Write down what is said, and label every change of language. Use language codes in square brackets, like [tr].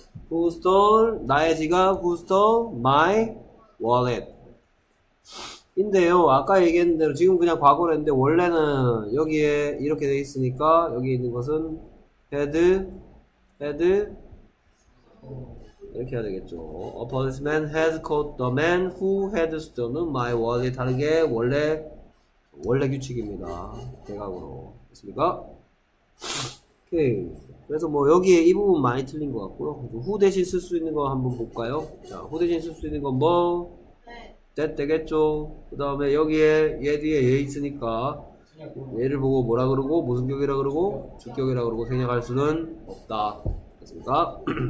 [en] Who stole [ko] 나의 지갑? [en] Who stole my wallet? [ko] 인데요. 아까 얘기한 대로 지금 그냥 과거로 했는데, 원래는 여기에 이렇게 돼 있으니까, 여기 있는 것은 head, 이렇게 해야 되겠죠. [en] A policeman had caught the man who had stolen my wallet. [ko] 다른 게 원래 규칙입니다. 대각으로. 됐습니까? 오케이. 그래서 뭐 여기에 이 부분 많이 틀린 것 같고요. who 대신 쓸수 있는 거 한번 볼까요? 자, who 대신 쓸수 있는 건 뭐? that 되겠죠. 그 다음에 여기에 얘 뒤에 얘 있으니까 얘를 보고 뭐라 그러고, 무슨 격이라 그러고, 주격이라 그러고 생략할 수는 없다. 됐습니까?